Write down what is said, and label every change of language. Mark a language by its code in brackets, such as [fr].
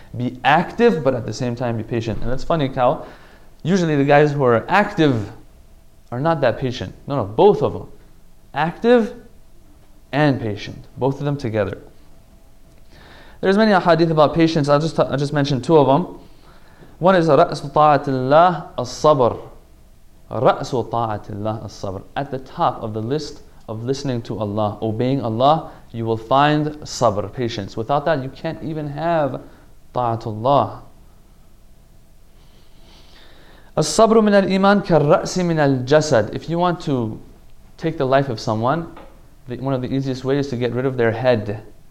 [en] Be active, but at the same time, be patient. And that's funny, Cal. Usually the guys who are active are not that patient. No, no, both of them. Active and patient. Both of them together. There's many ahadith about patience. I just mentioned two of them. One is, [ar] رَأْسُ طَاعَةِ اللَّهِ الصَّبْرِ. رَأْسُ طَاعَةِ اللَّهِ الصَّبْرِ. [en] At the top of the list of listening to Allah, obeying Allah, you will find sabr, patience. Without that, you can't even have ta'atullah. [ar] As-sabru min al-iman kar-ra'si min al-jasad. [en] If you want to take the life of someone, one of the easiest ways is to get rid of their head.